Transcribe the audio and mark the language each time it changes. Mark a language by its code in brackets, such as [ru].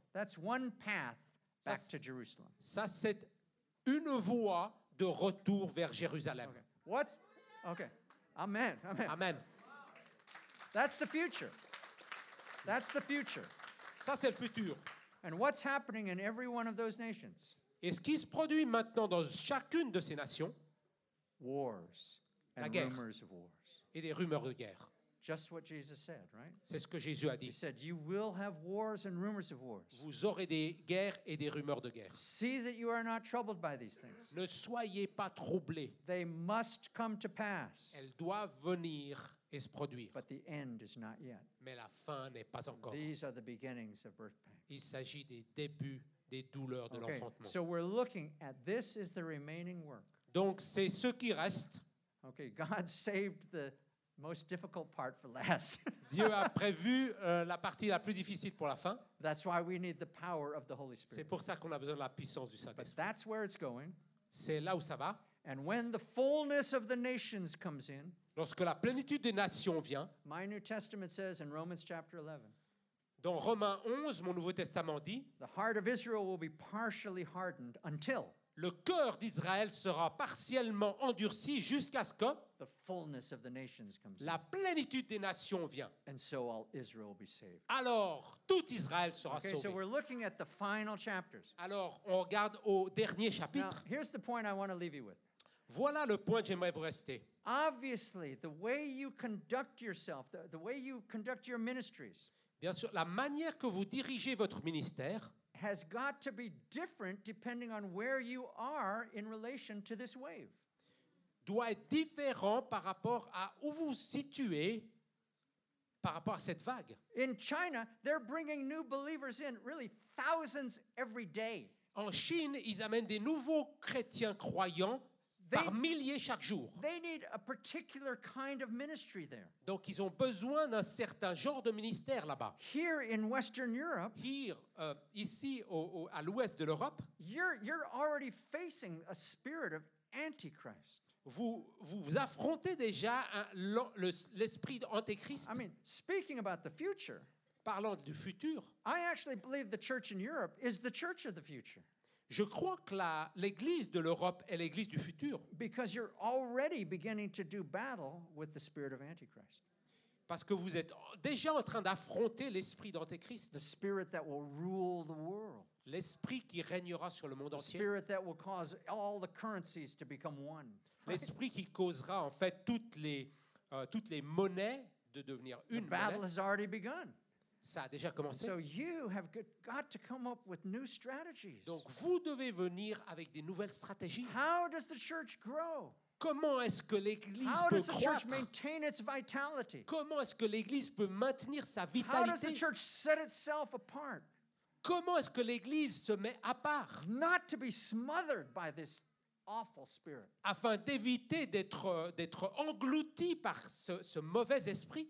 [en] That's one path back to Jerusalem. [fr] Ça c'est une voie de retour vers Jérusalem. [en] Okay. What? Okay. Amen. Amen. Amen. That's the future. That's the future. [fr] Ça c'est le futur. [en] And what's happening in every one of those nations? [fr] Et ce qui se produit maintenant dans chacune de ces nations? [en] Wars and [fr] la guerre. [en] Rumors of wars. [fr] Et des rumeurs de guerre. [en] Just what Jesus said, right? [fr] C'est ce que Jésus a dit. [en] He said, "You will have wars and rumors of wars." [fr] Vous aurez des guerres et des rumeurs de guerre. [en] See that you are not troubled by these things. [fr] Ne soyez pas troublés. [en] They must come to pass. [fr] Elles doivent venir et se produire. [en] But the end is not yet. [fr] Mais la fin n'est pas encore. [en] These are the beginnings of birth pains. [fr] Il s'agit des débuts des douleurs de okay. l'enfantement. [en] So we're looking at this is the remaining work. [fr] Donc c'est ce qui reste. [en] Okay, God saved the most difficult part for last. [fr] Dieu a prévu la partie la plus difficile pour la fin. [en] That's why we need the power of the Holy Spirit. [fr] C'est pour ça qu'on a besoin de la puissance du Saint-Esprit. [en] But that's where it's going. [fr] C'est là où ça va. [en] And when the fullness of the nations comes in, [fr] lorsque la plénitude des nations vient, [en] my New Testament says in Romans chapter 11, [fr] dans Romains 11, mon Nouveau Testament dit, [en] the heart of Israel will be partially hardened until [fr] le cœur d'Israël sera partiellement endurci jusqu'à ce que [en] the fullness of the nations comes [fr] la plénitude des nations vient. [en] And so all Israel will be saved. [fr] Alors, tout Israël sera okay, sauvé. [en] So we're looking at the final chapters. [fr] Alors, on regarde au dernier chapitre. [en] Now, here's the point I want to leave you with. [fr] Voilà le point que j'aimerais vous rester. [en] Obviously, the way you conduct yourself, the way you conduct your ministries, [fr] bien sûr, la manière que vous dirigez votre ministère [en] has got to be different depending on where you are in relation to this wave. [fr] Doit être différent par rapport à où vous situez par rapport à cette vague. [en] In China, they're bringing new believers in, really thousands every day. [fr] En Chine, ils amènent des nouveaux chrétiens croyants par milliers chaque jour. [en] They need a particular kind of ministry there. [fr] Donc ils ont besoin d'un certain genre de ministère là-bas. [en] Here in Western Europe, [fr] ici à l'ouest de l'Europe, [en] you're already facing a spirit of Antichrist. [fr] Vous affrontez déjà l'esprit d'Antéchrist. [en] I mean, speaking about the future, [fr] parlant du futur, [en] I actually believe the church in Europe is the church of the future. [fr] Je crois que l'Église de l'Europe est l'Église du futur. [en] Because you're already beginning to do battle with the spirit of Antichrist. [fr] Parce que vous êtes déjà en train d'affronter l'esprit d'Antéchrist. [en] The spirit that will rule the world. [fr] L'esprit qui régnera sur le monde entier. [en] The spirit that will cause all the currencies to become one. [fr] L'esprit qui causera en fait toutes les monnaies de devenir une. [en] The battle [fr] monnaie. [en] Has already begun. [fr] Ça a déjà commencé. [en] So you have got to come up with new strategies. [fr] Donc vous devez venir avec des nouvelles stratégies. [en] How does the church grow? [fr] Comment est-ce que l'Église [en] How [fr] peut [en] does [fr] croître? [en] The church maintain its vitality? [fr] Comment est-ce que l'Église peut maintenir sa vitalité? [en] How does the church set itself apart? [fr] Comment est-ce que l'Église se met à part? [en] Not to be smothered by this awful spirit. [fr] Afin d'éviter d'être englouti par ce mauvais esprit.